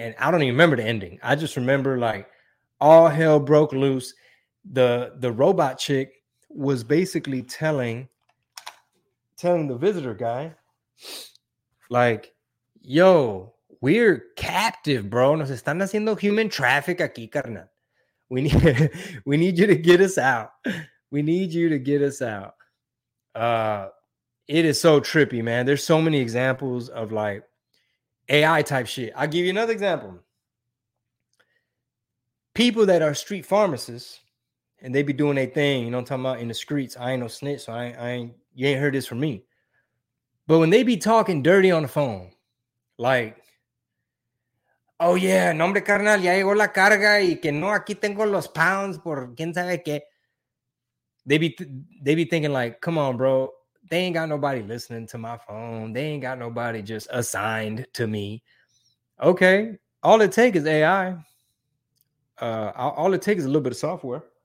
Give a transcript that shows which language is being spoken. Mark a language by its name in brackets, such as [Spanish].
[English] And I don't even remember the ending. I just remember, like, all hell broke loose. The robot chick was basically telling the visitor guy, like, yo, we're captive, bro. [Spanish] Nos están haciendo [English] human traffic [Spanish] aquí, carnal. [English] We need you to get us out. We need you to get us out. It is so trippy, man. There's so many examples of like AI type shit. I'll give you another example. People that are street pharmacists and they be doing their thing, you know what I'm talking about, in the streets. I ain't no snitch, so you ain't heard this from me. But when they be talking dirty on the phone, like, oh, yeah, [Spanish] nombre carnal, ya llegó la carga y que no, aquí tengo los pounds por quién sabe qué. [English] They be thinking like, come on, bro. They ain't got nobody listening to my phone. They ain't got nobody just assigned to me. Okay, all it takes is AI. All it takes is a little bit of software.